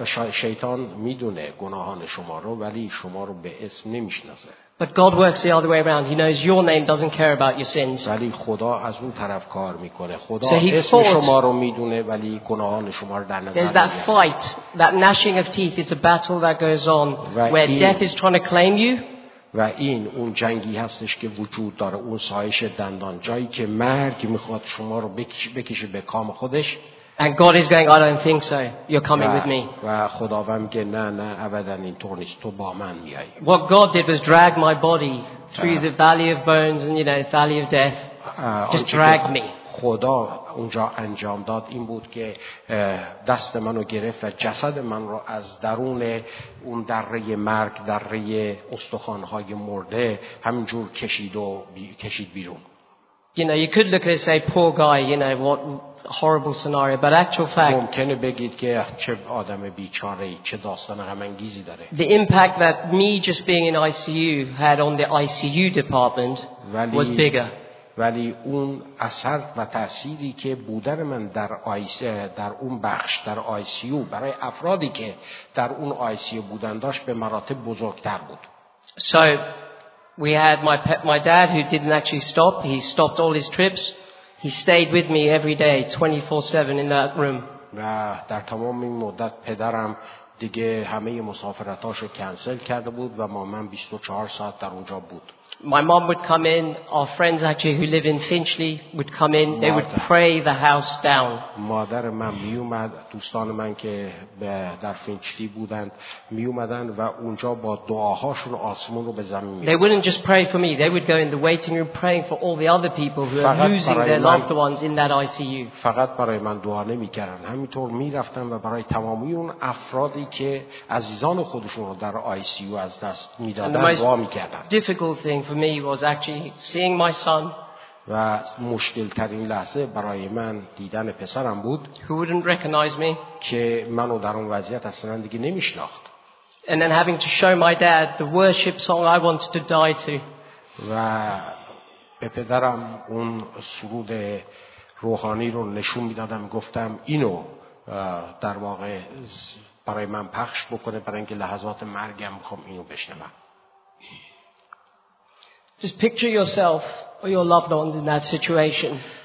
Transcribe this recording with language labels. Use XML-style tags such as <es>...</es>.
<fa>شیطان میدونه گناهان شما رو ولی شما رو به اسم نمیشناسه.</fa> <en>But God works the other way around. He knows your name, doesn't care about your sins.</en> <fa>ولی خدا از اون طرف کار میکنه. خدا اسم شما رو میدونه ولی گناهان شما رو در نظر نمیگیره.</fa> <en>There's that fight, that gnashing of teeth. It's a battle that goes on where death is trying to claim you.</en> <fa>و این اون جنگی هستش که وجود داره. اون سایش دندان جایی که مرگ میخواد شما رو بکشه به کام خودش.</fa> <en>And God is going, "I don't think so. You're coming with me."</en> <fa>و خداوند میگه نه ابدا اینطور نیست. تو با من میای.</fa> <en>What God did was drag my body through the valley of bones and, you know, valley of death. Just drag me.</en> <fa>خدا اونجا انجام داد این بود که دست منو گرفت و جسد من رو از درون اون دره مرگ، دره استخوان‌های مرده همینجور کشید و کشید بیرون.</fa> <en>You know, you could look at it and say, "Poor guy, you know, what horrible scenario," but actual fact,</en> <fa>ممکنه بگید که چه آدم بیچاره ای، چه داستان غم انگیزی داره.</fa> <en>The impact that me just being in ICU had on the ICU department was bigger.</en> <fa>ولی اون اثر و تأثیری که بودن من در آیسی در اون بخش در ICU برای افرادی که در اون ICU بودن داشت به مراتب بزرگتر بود.</fa> <en>So we had my dad who didn't actually stop. He stopped all his trips. He stayed with me every day 24/7 in that room.</en> <fa>و در تمام این مدت پدرم دیگه همه مسافرتاشو کنسل کرده بود و مامان 24 ساعت در اونجا بود.</fa> <en>My mom would come in, our friends actually who live in Finchley would come in, they would pray the house down.</en> <fa>مادر من می اومد، دوستان من که در فینچلی بودند می اومدن و اونجا با دعاهاشون آسمون رو به زمین می‌ریختن.</fa> <en>They wouldn't just pray for me, they would go in the waiting room praying for all the other people who are losing their loved ones in that ICU.</en> <fa>فقط برای من دعا نمی‌کردن، همینطور می‌رفتن و برای تمامی اون افرادی که عزیزان خودشون رو در ICU از دست می‌دادن دعا می‌کردن.</fa> <en>Difficult thing for me was actually seeing my son.</en> <fa>و مشکل ترین لحظه برای من دیدن پسرم بود.</fa> <en>Who wouldn't recognize me?</en> <fa>که منو در اون وضعیت اصلا دیگه نمیشناخت.</fa> <en>And then having to show my dad the worship song I wanted to die to.</en> <fa>و به پدرم اون سرود روحانی رو نشون میدادم، گفتم اینو در واقع برای من پخش بکنه برای اینکه لحظات مرگم بخوام اینو بشنوم.</fa> <en>Just picture yourself or your loved ones in that situation.</en>